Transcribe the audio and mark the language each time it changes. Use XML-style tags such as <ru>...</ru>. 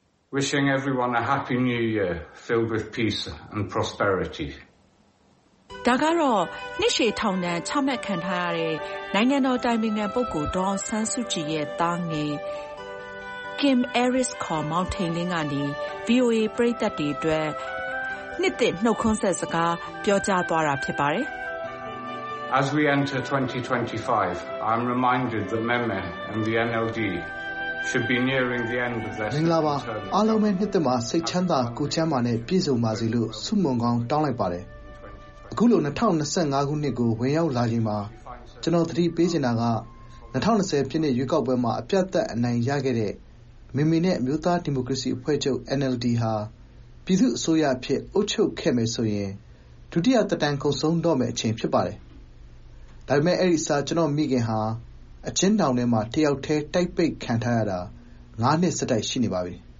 <en>Wishing everyone a happy new year filled with peace and prosperity.</en> <my>ဒါကတော့နှစ်ရှည်ထောင်နှံချမှတ်ခံထားရတဲ့နိုင်ငံတော်တိုင်ပင်ခံပုဂ္ဂိုလ်ဒေါက်တာဆန်းစုကြည်ရဲ့သားငယ် Kim Harris ခေါ်မောင်ထိန်လင်းကနေ VOA ပရိသတ်တွေအတွက်နှစ်သစ်နှုတ်ခွန်းဆက်စကားပြောကြားသွားတာဖြစ်ပါတယ်.</my> <en>As we enter 2025, I'm reminded that MEME and the NLD. Should be nearing the end of this.</en> <my>မင်္ဂလာပါ။အားလုံးပဲနှစ်သစ်မှာစိတ်ချမ်းသာ၊ကိုယ်ချမ်းသာနဲ့ပြည့်စုံပါစေလို့ဆုမွန်ကောင်းတောင်းလိုက်ပါတယ်။အခုလို2025ခုနှစ်ကိုဝင်ရောက်လာချိန်မှာကျွန်တော်သတိပေးချင်တာက 2020ပြည့်နှစ်ရွေးကောက်ပွဲမှာအပြတ်သတ်အနိုင်ရခဲ့တဲ့မင်မီနဲ့အမျိုးသားဒီမိုကရေစီအဖွဲ့ချုပ် NLD ဟာပြည်သူ့အစိုးရဖြစ်အုပ်ချုပ်ခဲ့မယ်ဆိုရင်ဒုတိယတက်တန်းကုံဆုံးတော့မယ့်အချိန်ဖြစ်ပါတယ်။ဒါပေမဲ့အဲ့ဒီစာကျွန်တော်မိခင်ဟာအချင်းတောင်ထဲမှာတယောက်တည်းတိုက်ပိတ်ခံထားရတာ၅နှစ်ဆက်တိုက်ရှိနေပါပြီ</my>